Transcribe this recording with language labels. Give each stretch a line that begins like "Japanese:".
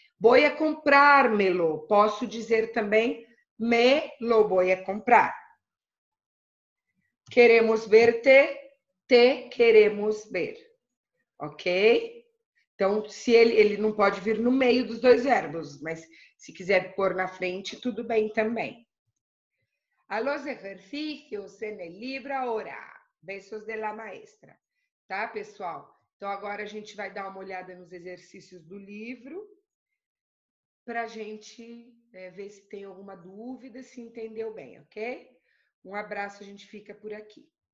Spanish: Voy a comprármelo,
Portuguese: posso dizer também,
Spanish: me lo voy a comprar. Queremos verte. Te queremos ver. Ok?
Portuguese: Então, se ele não pode vir no meio dos dois verbos, mas se quiser pôr na frente, tudo bem também.
Spanish: A los ejercicios en el libro ahora. Besos de la maestra.
Portuguese: Tá, pessoal? Então, agora a gente vai dar uma olhada nos exercícios do livro. para a gente ver se tem alguma dúvida, se entendeu bem, ok? Um abraço, a gente fica por aqui.